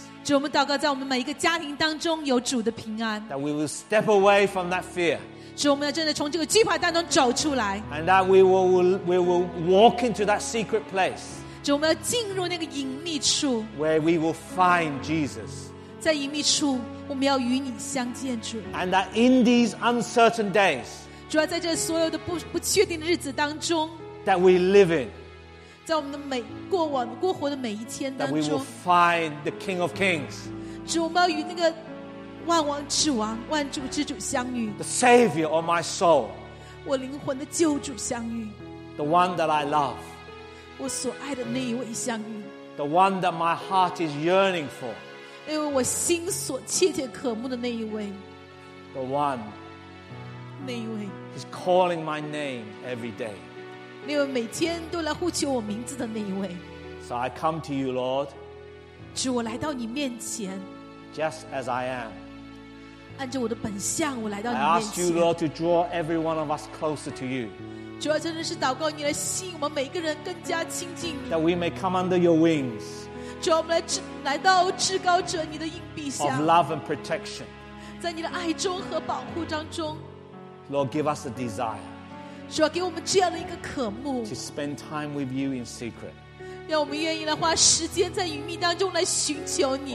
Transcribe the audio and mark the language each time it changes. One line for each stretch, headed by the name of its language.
Chinese: 主，我们祷告在我们每一个家庭当中有主的平安。
English: That we will step away from that fear.
Chinese: 主，我们要真的从这个惧怕当中走出来。
English: And that we will walk into that secret place.
Chinese: 主，我们要进入那个隐秘处。
English: Where we will find Jesus.
Chinese: 在隐秘处，我们要与你相见，主。
English: And that in these uncertain days.
Chinese: 主要在这所有的不确定的日子当中。
English: That we live in.
Chinese: 在我们的每过往过活的每一天当中。
English: That we will find the King of Kings.
Chinese: 主，我们要与那个万王之王、万主之主相遇。
English: The Savior of my soul.
Chinese: 我灵魂的救主相遇。
English: The one that I love.
Chinese: 我所爱的那一位相遇。
English: The one that my heart is yearning for.
Chinese: 那位我心所切切渴慕的那一位。
English: The one.
Chinese: 那一位。
English: He's calling my name every day.
Chinese: 那位每天都来呼求我名字的那一位。
English: So I come to you, Lord.
Chinese: 主，我来到你面前。
English: Just as I am.
Chinese: 按照我的本相，我来到你面前。
English: I ask you, Lord, to draw every one of us closer to you.
Chinese: 主要真的是祷告你来吸引我们每个人更加亲近你。
English: That we may come under your wings.
Chinese: 主要我们 来到至高者你的荫庇下。
English: Of love and protection.
Chinese: 在你的爱中和保护当中。
English: Lord, give us a desire.
Chinese: 主要给我们这样的一个渴慕
English: to spend time with you in secret
Chinese: 让我们愿意来花时间在隐秘当中来寻求你